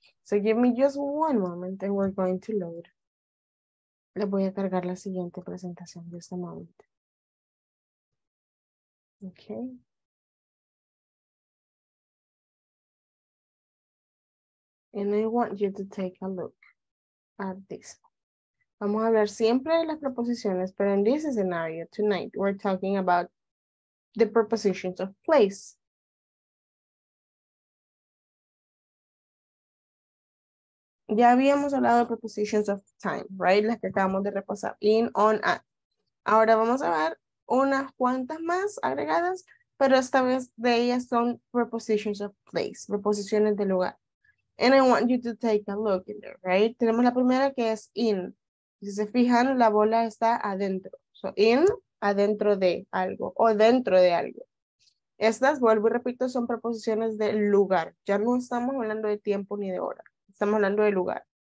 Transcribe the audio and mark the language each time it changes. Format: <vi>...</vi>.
<en>So give me just one moment and we're going to load.</en> <es>Le voy a cargar la siguiente presentación</es> <en>just a moment. Okay. And I want you to take a look at this.</en> <es>Vamos a hablar siempre de las preposiciones, pero</es> <en>in this scenario, tonight, we're talking about the prepositions of place.</en> <es>Ya habíamos hablado de</es> <en>prepositions of time, right?</en> <es>Las que acabamos de repasar, in, on, at. Ahora vamos a ver unas cuantas más agregadas, pero esta vez de ellas son</es> <en>prepositions of place,</en> <es>preposiciones de lugar.</es> <en>And I want you to take a look in there, right?</en> <es>Tenemos la primera que es in. Si se fijan, la bola está adentro. So in, adentro de algo o dentro de algo. Estas, vuelvo y repito, son preposiciones de lugar. Ya no estamos hablando de tiempo ni de hora. Estamos hablando de lugar.</es>